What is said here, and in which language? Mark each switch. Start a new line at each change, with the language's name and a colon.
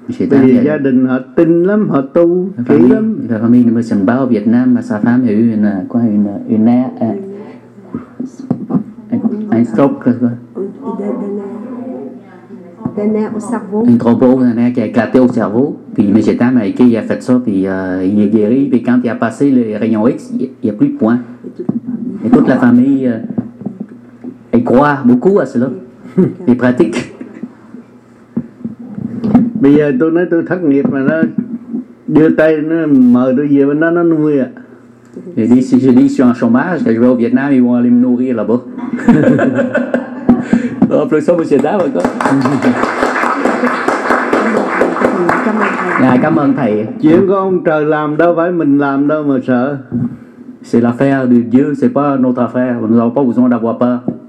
Vietnamese: Bởi vì gia đình họ tin lắm, họ tu kỹ lắm. Là phạm minh mới báo Việt Nam mà sao phạm hiểu là có hiểu là
French: une un stroke quoi. Un trombone dans l'air qui a éclaté au cerveau. Puis M. Tam a écrit, il a fait ça, puis il est guéri. Puis quand il a passé le rayon X, il n'y a plus de points. Et toute la famille, elle croit beaucoup à cela. Elle pratique.
Vietnamese: Bây giờ tôi nói tôi thất nghiệp mà nó đưa tay nó mời tôi về bên đó nó nuôi à.
French: Et dit, si je dis que je suis en chômage, que je vais au Vietnam, ils vont aller me nourrir là-bas. Applaudissements, monsieur Tam, encore.
Vietnamese: Cảm ơn thầy. Chuyện của ông trời làm đâu phải mình làm đâu mà sợ.
French: C'est l'affaire de Dieu, c'est pas notre affaire. Nous n'avons pas besoin d'avoir peur.